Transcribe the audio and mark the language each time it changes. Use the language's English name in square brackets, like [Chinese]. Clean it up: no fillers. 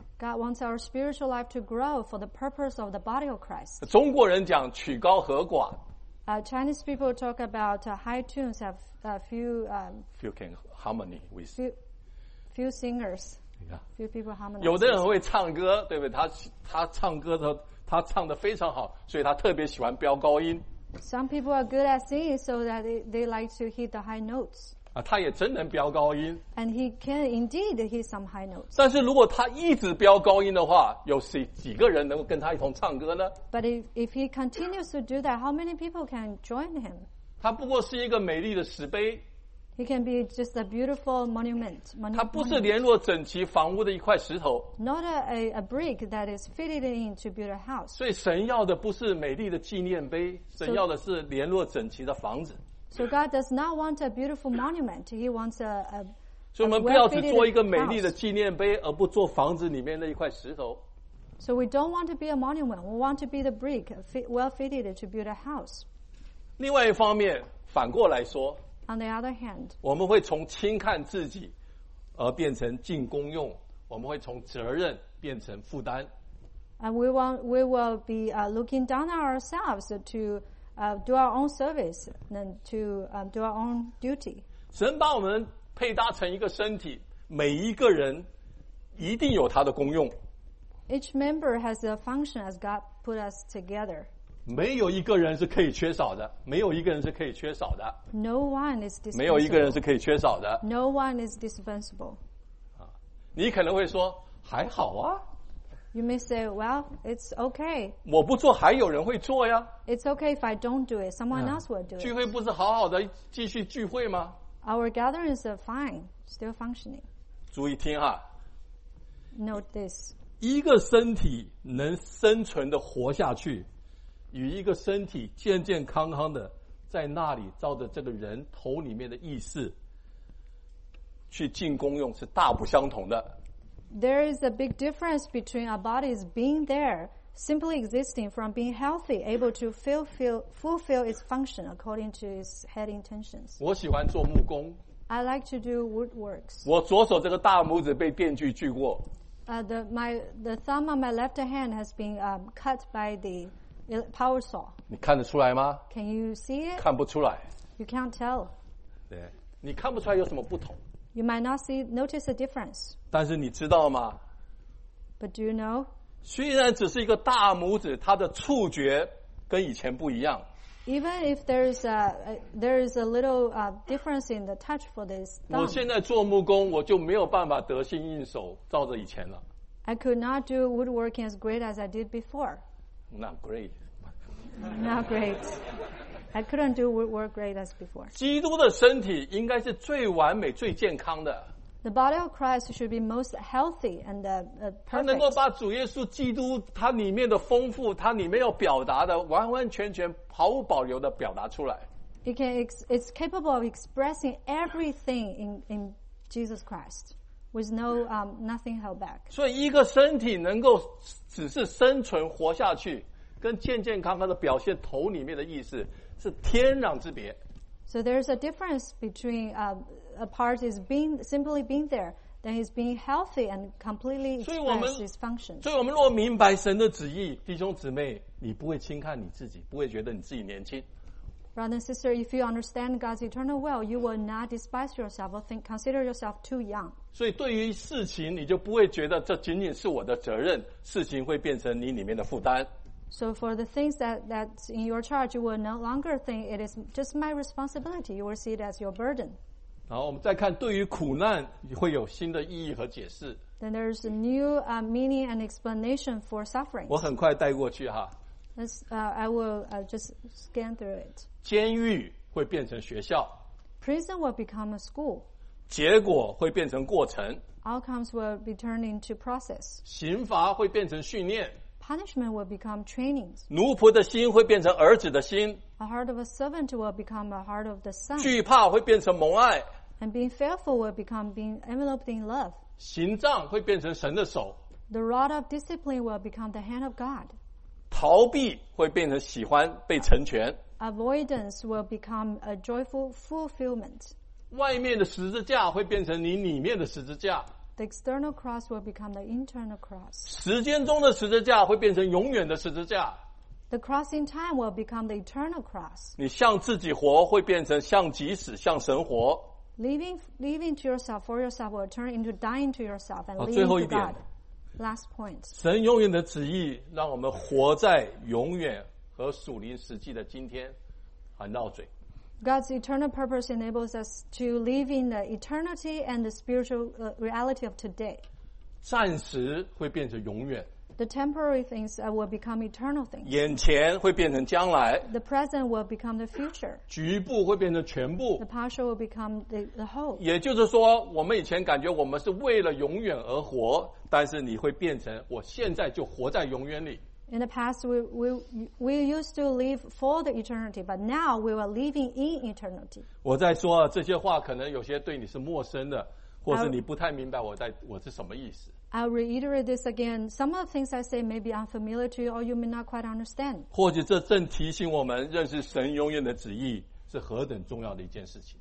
[English] God wants our spiritual life to grow for the purpose of the body of Christ. [Chinese] 中国人讲曲高和寡。 [English] Chinese people talk about high tunes have a few harmony with few singers. Few people harmonize. [Chinese] 有的人会唱歌，对不对？他唱歌的。他唱得非常好，所以他特别喜欢飙高音。 [English] Some people are good at singing, so that they like to hit the high notes. [Chinese] 啊，他也真能飙高音。 [English] And he can indeed hit some high notes. [Chinese] 但是如果他一直飙高音的话，有谁几个人能够跟他一同唱歌呢 [English] ？But if he continues to do that, how many people can join him? [Chinese] 他不过是一个美丽的石碑。 [English] He can be just a beautiful monument. [Chinese] 它不是联络整齐房屋的一块石头。 [English] Not a brick that is fitted in to build a house. [Chinese] 所以神要的不是美丽的纪念碑，神要的是联络整齐的房子。 [English] So God does not want a beautiful monument. He wants a. [Chinese] 所以我们不要只做一个美丽的纪念碑，而不做房子里面的一块石头。 [English] So we don't want to be a monument. We want to be the brick, well fitted to build a house. [Chinese] 另外一方面，反过来说。 [English] On the other hand, [Chinese] 我们会从轻看自己，而变成敬功用；我们会从责任变成负担。 [English] And we will be looking down on ourselves to do our own service and to do our own duty. [Chinese] 神把我们配搭成一个身体，每一个人一定有他的功用。 [English] Each member has a function as God put us together. [Chinese] 没有一个人是可以缺少的，没有一个人是可以缺少的。 [English] No one is dispensable. [Chinese] 没有一个人是可以缺少的。 [English] No one is dispensable. [Chinese] 你可能会说还好啊。 [English] You may say, well, it's okay. [Chinese] 我不做，还有人会做呀。 [English] It's okay if I don't do it. Someone else will do it. [Chinese] 聚会不是好好的继续聚会吗 [English] ？Our gatherings are fine, still functioning. [Chinese] 注意听哈。 [English] Note this. [Chinese] 一个身体能生存的活下去。与一个身体健健康康的在那里照着这个人头里面的意识去进功用是大不相同的。 [English] There is a big difference between a body's being there, simply existing from being healthy, able to fulfill its function according to its head intentions. [Chinese] 我喜欢做木工。 [English] I like to do woodworks. [Chinese] 我左手这个大拇指被电锯锯过。 [English] The thumb on my left hand has been cut by the power saw. [Chinese] 你看得出来吗 [English] ？Can you see it? [Chinese] 看不出来。 [English] You can't tell. [Chinese] 对，你看不出来有什么不同。 [English] You might not see notice a difference. [Chinese] 但是你知道吗 [English] ？But do you know? [Chinese] 虽然只是一个大拇指，它的触觉跟以前不一样。 [English] Even if there is a little difference in the touch for this thumb. [Chinese] 我现在做木工，我就没有办法得心应手，照着以前了。 [English] I could not do woodworking as great as I did before. Not great. I couldn't do work great as before. [Chinese] 基督的身体应该是最完美、最健康的。 [English] The body of Christ should be most healthy and perfect. [Chinese] 他能够把主耶稣基督他里面的丰富，他里面要表达的完完全全毫无保留的表达出来。 [English] It's capable of expressing everything in Jesus Christ. With no nothing held back. [Chinese] 所以一个身体能够只是生存活下去，跟健健康康的表现头里面的意思是天壤之别。 [English] So there's a difference between a part is being simply being there, then is being healthy and completely express its function. [Chinese] 所以我们若明白神的旨意，弟兄姊妹，你不会轻看你自己，不会觉得你自己年轻。 [English] Brother and sister, if you understand God's eternal will, you will not despise yourself or think, consider yourself too young. [Chinese] 所以对于事情，你就不会觉得这仅仅是我的责任，事情会变成你里面的负担。 [English] So for the things that's in your charge, you will no longer think it is just my responsibility. You will see it as your burden. [Chinese] 然后我们再看对于苦难会有新的意义和解释。 [English] Then there's a new meaning and explanation for suffering. [Chinese] 我很快带过去哈。 [English] I will just scan through it. [Chinese] 监狱会变成学校。 [English] Prison will become a school. [Chinese] 结果会变成过程。 [English] Outcomes will be turned into process. [Chinese] 刑罚会变成训练。 [English] Punishment will become training. [Chinese] 奴仆的心会变成儿子的心。 [English] A heart of a servant will become a heart of the son. [Chinese] 惧怕会变成蒙爱。 [English] And being fearful will become being enveloped in love. [Chinese] 刑杖会变成神的手。 [English] The rod of discipline will become the hand of God. [Chinese] 逃避会变成喜欢被成全。 [English] Avoidance will become a joyful fulfillment. [Chinese] 外面的十字架会变成你里面的十字架。 [English] The external cross will become the internal cross. [Chinese] 时间中的十字架会变成永远的十字架。 [English] The cross in time will become the eternal cross. [Chinese] 你向自己活会变成向己死，向神活。 [English] Living to yourself for yourself will turn into dying to yourself and living to God. Last point. [Chinese] 神永远的旨意让我们活在永远和属灵实际的今天。还闹嘴。 [English] God's eternal purpose enables us to live in the eternity and the spiritual reality of today. [Chinese] 暂时会变成永远。 [English] The temporary things will become eternal things. [Chinese] 眼前会变成将来。 [English] The present will become the future. [Chinese] 局部会变成全部。 [English] The partial will become the whole. [Chinese] 也就是说，我们以前感觉我们是为了永远而活，但是你会变成我现在就活在永远里。 [English] In the past, we used to live for the eternity, but now we are living in eternity. [Chinese] 我在说这些话，可能有些对你是陌生的，或是你不太明白我是什么意思。 [English] I'll reiterate this again. Some of the things I say may be unfamiliar to you, or you may not quite understand. [Chinese] 或者这正提醒我们认识神永远的旨意是何等重要的一件事情。